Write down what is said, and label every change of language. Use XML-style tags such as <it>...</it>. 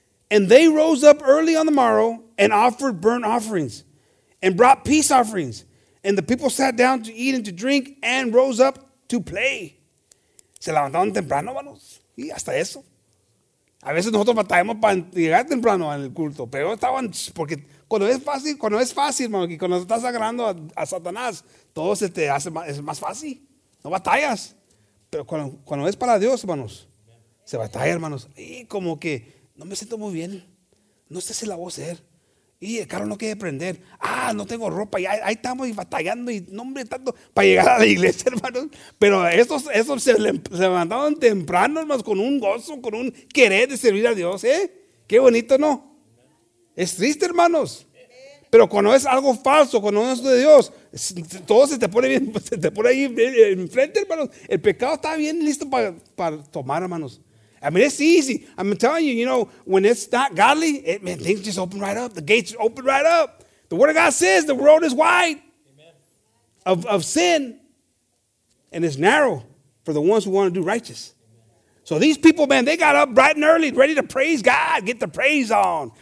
<en>And they rose up early on the morrow and offered burnt offerings and brought peace offerings. And the people sat down to eat and to drink and rose up to play.</en> <es>Se levantaron temprano, manos. Y hasta eso. A veces nosotros batallamos para llegar temprano al culto. Pero estaban, porque cuando es fácil, mano, y cuando estás agarrando a Satanás, todo se te hace más, es más fácil. No batallas. Pero cuando es para Dios, hermanos, se batalla, hermanos. Y como que no me siento muy bien. No sé si la voy a hacer. Y el carro no quiere prender. Ah, no tengo ropa. Y ahí estamos y batallando. Y no, hombre, tanto para llegar a la iglesia, hermanos. Pero estos se levantaron temprano, hermanos, con un gozo, con un querer de servir a Dios. Qué bonito, ¿no? Es triste, hermanos. Pero cuando es algo falso, cuando no es de Dios, todo se te pone bien, se te pone ahí enfrente, hermanos. El pecado está bien listo para tomar, hermanos.</es> <en>I mean, it's easy. I'm telling you, you know, when it's not godly, things just open right up. The gates open right up. The word of God says the world is wide of sin, and it's narrow for the ones who want to do righteous. So these people, man, they got up bright and early, ready to praise God, get the praise on.</en>